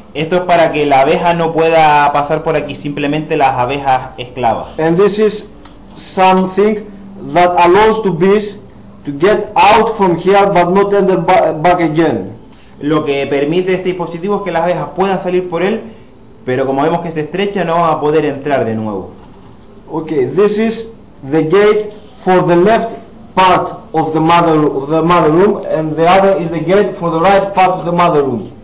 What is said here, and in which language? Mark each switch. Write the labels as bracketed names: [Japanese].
[Spanish] Esto es para que la abeja no pueda pasar por aquí, simplemente las abejas esclavas. [English] And this is something that allows to bees to get out from here but not enter back again. [Spanish] Lo que permite este dispositivo es que las abejas puedan salir por él, pero como vemos que se estrecha, no van a poder entrar de nuevo. [English] Okay, this is the gate for the left part of the mother room, and the other is the gate for the right part of the mother room.